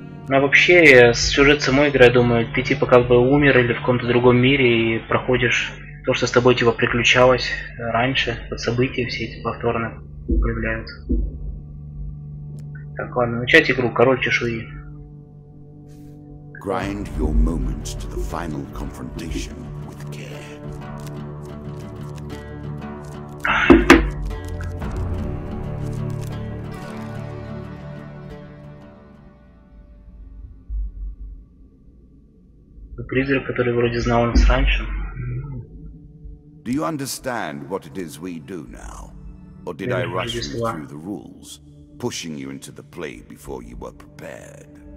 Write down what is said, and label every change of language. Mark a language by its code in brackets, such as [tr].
[ru] Ну вообще, сюжет самой игры, я думаю, ты типа как бы умер или в каком-то другом мире и проходишь то, что с тобой типа приключалось раньше, под события все эти повторно появляются. Так, ладно, начать игру, король чешуи. [en] Grind your moments to the final confrontation with care. [ru] Призрак, который вроде знал нас раньше. [en] Do you understand what it is we do now? Or did I rush you through the rules, pushing you into the play before you were prepared?